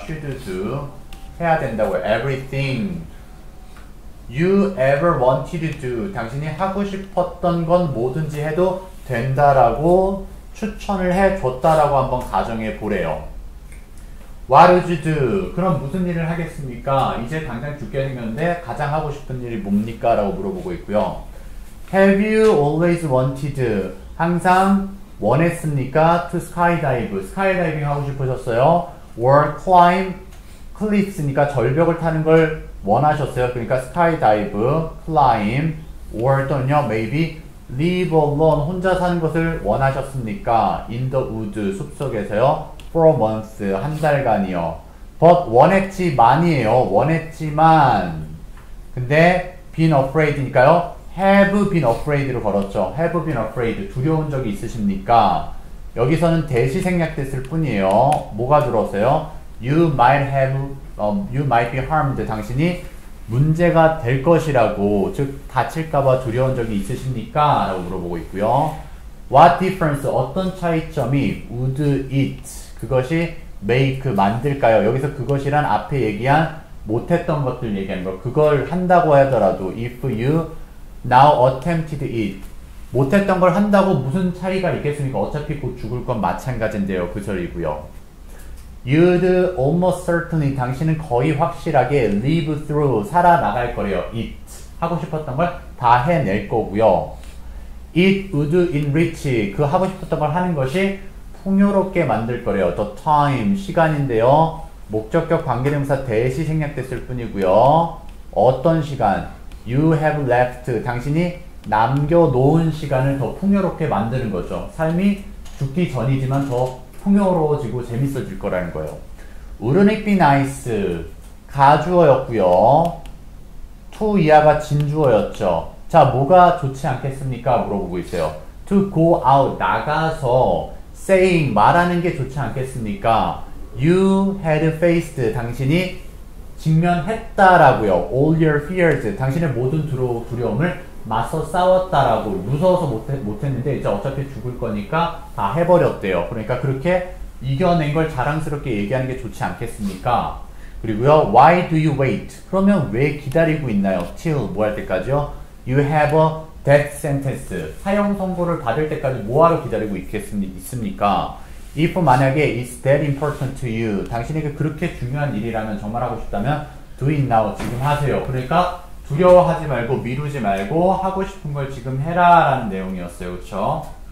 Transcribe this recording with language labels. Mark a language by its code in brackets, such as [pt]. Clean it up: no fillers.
[en] should do [ko] 해야 된다고 [en] everything you ever wanted to do [ko] 당신이 하고 싶었던 건 뭐든지 해도 된다라고 추천을 해줬다라고 한번 가정해 보래요. [en] What would you do? [ko] 그럼 무슨 일을 하겠습니까? 이제 당장 죽게 생겼는데 가장 하고 싶은 일이 뭡니까? 라고 물어보고 있고요. [en] Have you always wanted [ko] 항상 원했습니까? [en] To skydive. [ko] 스카이다이빙 하고 싶으셨어요? [en] Or climb cliffs [ko] 니까 절벽을 타는 걸 원하셨어요? 그러니까 스카이다이브, [en] climb, or 또는요, maybe live alone. [ko] 혼자 사는 것을 원하셨습니까? [en] In the woods. [ko] 숲속에서요. [en] For a month. [ko] 한 달간이요. But 원했지만이에요. 원했지만. 근데 [en] been afraid [ko] 니까요. [en] Have been afraid로 걸었죠. Have been afraid. [ko] 두려운 적이 있으십니까? 여기서는 대시 생략됐을 뿐이에요. 뭐가 들어오세요? [en] You might be harmed. [ko] 당신이 문제가 될 것이라고. 즉, 다칠까봐 두려운 적이 있으십니까? 라고 물어보고 있고요. [en] What difference? [ko] 어떤 차이점이 [en] would it? [ko] 그것이 make, 만들까요? 여기서 그것이란 앞에 얘기한 못했던 것들 얘기한 거. 그걸 한다고 하더라도, [en] if you Now attempted it. [ko] 못했던 걸 한다고 무슨 차이가 있겠습니까? 어차피 곧 죽을 건 마찬가지인데요. 그 절이고요. [en] You'd almost certainly, [ko] 당신은 거의 확실하게 [en] live through, [ko] 살아나갈 거래요. [en] It. [ko] 하고 싶었던 걸다 해낼 거고요. [en] It would enrich, [ko] 그 하고 싶었던 걸 하는 것이 풍요롭게 만들 거래요. [en] The time, [ko] 시간인데요. 목적격 관계대명사 대시 생략됐을 뿐이고요. 어떤 시간? [en] You have left. [ko] 당신이 남겨놓은 시간을 더 풍요롭게 만드는 거죠. 삶이 죽기 전이지만 더 풍요로워지고 재밌어질 거라는 거예요. [en] Wouldn't it be nice? 가주어였고요. [ko] To 이하가 진주어였죠. 자, 뭐가 좋지 않겠습니까? 물어보고 있어요. [en] To go out, [ko] 나가서 saying, 말하는 게 좋지 않겠습니까? [en] You had faced. [ko] 당신이 직면했다라고요. [en] All your fears. [ko] 당신의 모든 두려움을 맞서 싸웠다라고. 무서워서 못했는데, 이제 어차피 죽을 거니까 다 해버렸대요. 그러니까 그렇게 이겨낸 걸 자랑스럽게 얘기하는 게 좋지 않겠습니까? [en] 그리고요, why do you wait? [ko] 그러면 왜 기다리고 있나요? Till, 뭐할 때까지요? [en] You have a death sentence. [ko] 사형 선고를 받을 때까지 뭐하러 기다리고 있습니까? If 만약에 [en] it's that important to you, [ko] 당신에게 그렇게 중요한 일이라면 정말 하고 싶다면 [en] do it now, [ko] 지금 하세요. 그러니까 두려워하지 말고 미루지 말고 하고 싶은 걸 지금 해라라는 내용이었어요. 그렇죠?